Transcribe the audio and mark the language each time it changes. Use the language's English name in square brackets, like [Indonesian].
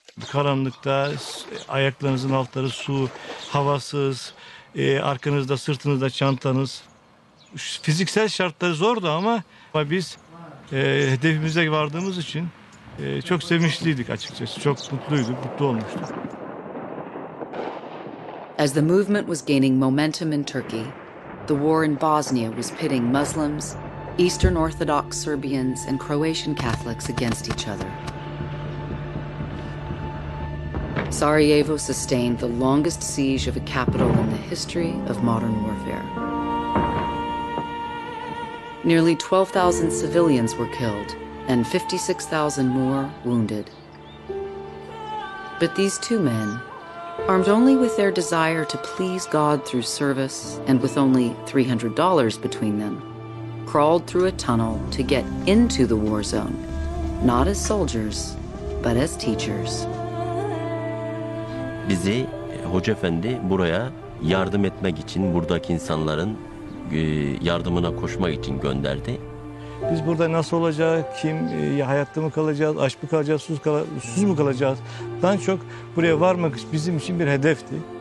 [Turkish] Karanlıkta, ayaklarınızın altları su, havasız, arkanızda, sırtınızda çantanız. Fiziksel şartları zordu ama biz hedefimize vardığımız için çok sevinçliydik açıkçası. Çok mutluyduk, mutlu olmuştuk. [English] As the movement was gaining momentum in Turkey, the war in Bosnia was pitting Muslims, Eastern Orthodox Serbians and Croatian Catholics against each other. Sarajevo sustained the longest siege of a capital in the history of modern warfare. Nearly 12,000 civilians were killed and 56,000 more wounded. But these two men, armed only with their desire to please God through service and with only $300 between them, crawled through a tunnel to get into the war zone, not as soldiers, but as teachers. [Turkish] Bizi Hocaefendi buraya yardım etmek için, buradaki insanların yardımına koşmak için gönderdi. Biz burada nasıl olacak, kim, hayatta mı kalacağız, aç mı kalacağız, susuz mu kalacağız? Daha çok buraya varmak bizim için bir hedefti.